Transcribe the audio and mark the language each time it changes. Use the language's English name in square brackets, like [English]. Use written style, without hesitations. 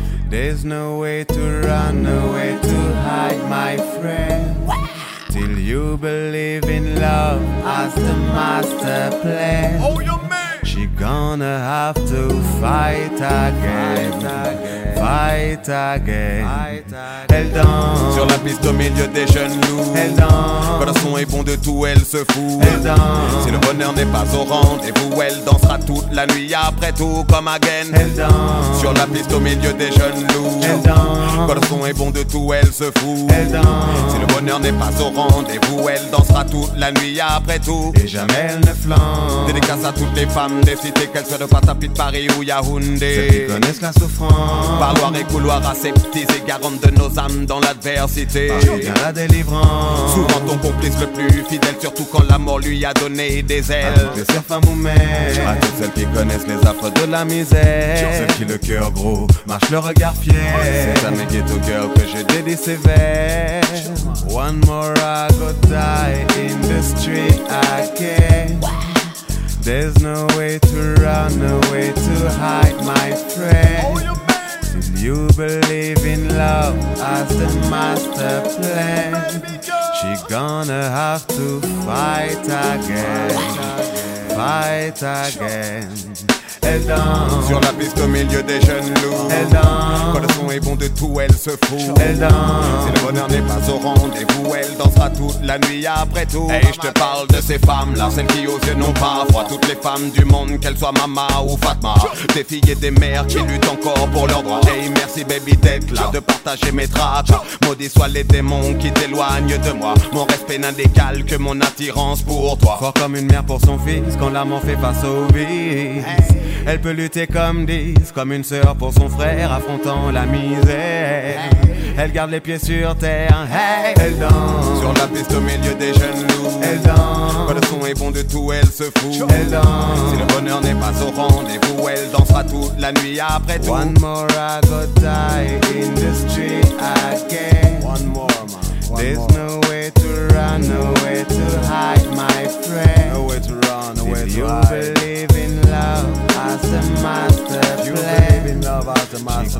[English] There's no way to run, no way to hide, my friend. Till you believe in love as the master plan. Oh, your man. She gonna have to fight again. Fight again. Fight again. Fight again. [French] Elle danse sur la piste au milieu des jeunes loups. Elle danse quand le son est bon de tout, elle se fout. Elle danse si le bonheur n'est pas au rendez-vous, elle dansera toute la nuit après tout comme again. Elle danse sur la piste au milieu des jeunes loups. Elle danse quand le son est bon de tout, elle se fout. Elle danse si le bonheur n'est pas au rendez-vous, elle dansera toute la nuit après tout. Et jamais elle ne flanche. Dédicace à toutes les femmes des cités, qu'elles soient de Patapi, de Paris ou Yaoundé. Ceux qui connaissent la souffrance. Parloir et couloir aseptisé, garante de nos âmes dans l'adversité. Parviens la délivrance. Souvent ton complice le plus fidèle, surtout quand la mort lui a donné des ailes. Je serai femme ou mère. À toutes celles qui connaissent les affres de la misère. Sur celles qui le cœur gros marche le regard fier. C'est à mes guettes au cœur que je dédie ces vers. [English] One more I go die in the street again. There's no way to run, no way to hide, my friend. You believe in love as the master plan. She gonna have to fight again. Fight again. [French] Elle danse sur la piste au milieu des jeunes loups. Elle danse quand le son est bon de tout, elle se fout. Elle danse si le bonheur n'est pas au rendez-vous, elle dansera toute la nuit après tout. Et hey, je te parle de ces femmes-là, celles qui aux yeux n'ont pas froid. Toutes les femmes du monde, qu'elles soient Mama ou Fatma, des filles et des mères qui luttent encore pour leurs droits. Hey, merci baby d'être là, de partager mes tracas. Maudits soient les démons qui t'éloignent de moi. Mon respect n'indécale que mon attirance pour toi. Fort comme une mère pour son fils, quand l'amour fait face au vice. Elle peut lutter comme 10, comme une sœur pour son frère, affrontant la misère. Elle garde les pieds sur terre, hey. Elle danse sur la piste au milieu des jeunes loups. Elle danse quand le son est bon de tout, elle se fout. Elle danse si le bonheur n'est pas au rendez-vous, elle dansera toute la nuit après tout. [English] One more I go die in the street again. One more, man. One There's more. No way to run, no way to hide, my friend. No way to run, no way if to hide. You believe in love as the master plan. You believe in love as the master